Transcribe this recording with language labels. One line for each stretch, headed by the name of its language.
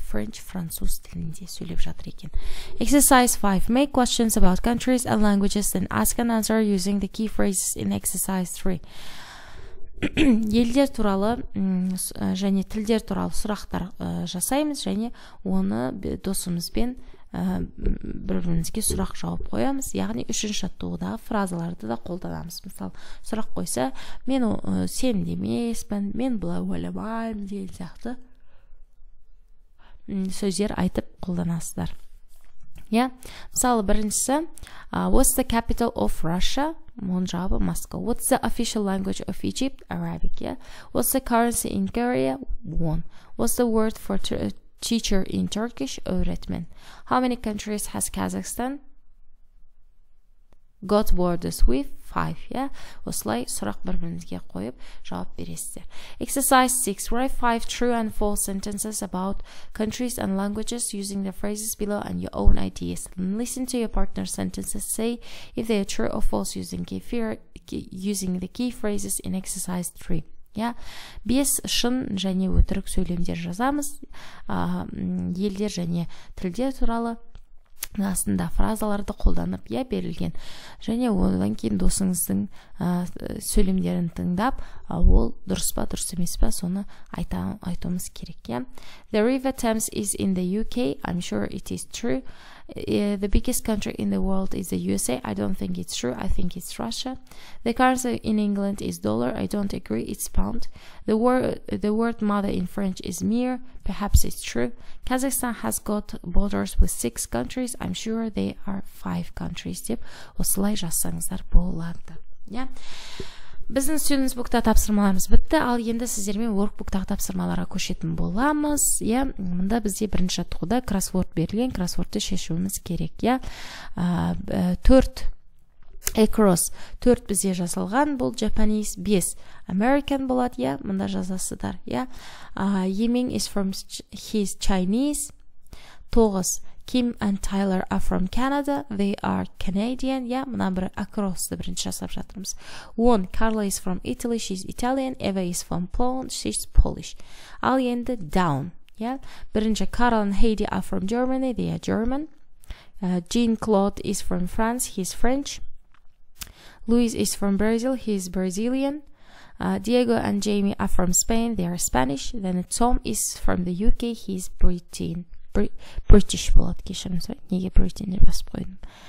Kazakh: French, француз тілінде сөйлеп жатыр екен.
English: Exercise 5. Make questions about countries and languages and ask and answer using the key phrases in exercise 3.
Kazakh: Елдер туралы және тілдер туралы сұрақтар жасаймыз, және оны досымызбен бір-бірімізге сұрақ жауап қоямыз. Яғни үшінші жаттығудағы фразаларды да қолданамыз. Мысалы, сұрақ қойса, мен сенімді емеспін, мен бұлай ойламаймын деген сияқты сөздер айтып қолданасыздар. Иә, мысалы, біріншісі,
English: what's the capital of Russia?
Kazakh: Оның жауабы Москва.
English: What's the official language of Egypt? Arabic. What's the currency in Korea? Won. What's the word for teacher in Turkish? Öğretmen. How many countries has Kazakhstan got borders with? 5.
Kazakh: Осылай сұрақ бір-бірімізге қойып жауап бересіздер.
English: Exercise 6. Write 5 true and false sentences about countries and languages using the phrases below and your own ideas. Listen to your partner's sentences. Say if they are true or false using the key phrases in exercise 3.
Kazakh: Бес шын және өтірік сөйлемдер жазамыз. Елдер және тілдер туралы астында фразаларды қолданып, иә, берілген. Және одан кейін досыңыздың сөйлемдерін тыңдап, ол дұрыс па, дұрыс емес па, соны айтуымыз керек, иә.
English: The River Thames is in the UK. I'm sure it is true. The biggest country in the world is the USA. I don't think it's true. I think it's Russia. The currency in England is dollar. I don't agree. It's pound. The word mother in French is mere. Perhaps it's true. Kazakhstan has got borders with 6 countries. I'm sure they are 5 countries.
Kazakh: Деп осылай жасаңыздар болады. Біздің students book-та тапсырмаларымыз бітті, ал енді сіздермен workbook-тағы тапсырмаларға көшетін боламыз. Мында бізде бірінші жаттығуда crossword берілген, crossword-ты шешуіміз керек. 4 across, 4 бізде жасалған, бұл Japanese, 5 American болады, мында жазасыздар.
English: Yiming is from his Chinese, 9 Kim and Tyler are from Canada. They are Canadian.
Kazakh: Мына бір across-ты бірінші жасап жатырмыз.
English: 1. Carla is from Italy. She's Italian. Eva is from Poland. She's Polish.
Kazakh: Ал енді down. Бірінші,
English: Carl and Heidi are from Germany. They are German. Jean-Claude is from France. He's French. Luis is from Brazil. He's Brazilian. Diego and Jamie are from Spain. They are Spanish. Then Tom is from the UK. He's British.
Kazakh: British болады, кешірім сұрай. Неге British-ді басып қойдым?